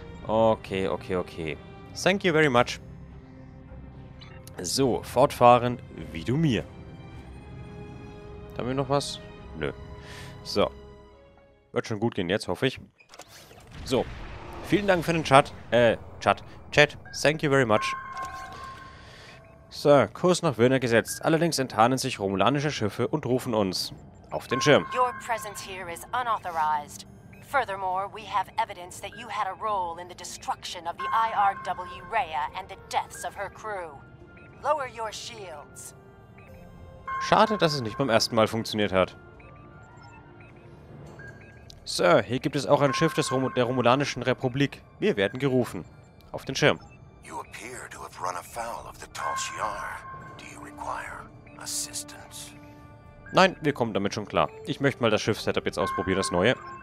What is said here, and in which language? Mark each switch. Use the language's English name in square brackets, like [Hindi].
[German] Okay. [English] Thank you very much. [German] So, fortfahren wie du mir. Haben wir noch was? Nö. So. Wird schon gut gehen jetzt, hoffe ich. So. Vielen Dank für den Chat. Chat. [English] Thank you very much. [German] So, Kurs nach Wirna gesetzt. Allerdings enttarnen sich romulanische Schiffe und rufen uns auf den Schirm. [English] Your presence here is unauthorized. Furthermore, we have evidence that you had a role in the destruction of the IRW Rhea and the deaths of her crew. Lower your shields. [German] Schade, dass es nicht beim ersten Mal funktioniert hat. Sir, hier gibt es auch ein Schiff der Romulanischen Republik. Wir werden gerufen. Auf den Schirm. [English] You appear to have run afoul of the Tal Shiar. Do you require assistance? [German] Nein, wir kommen damit schon klar. Ich möchte mal das Schiff-Setup jetzt ausprobieren, das neue.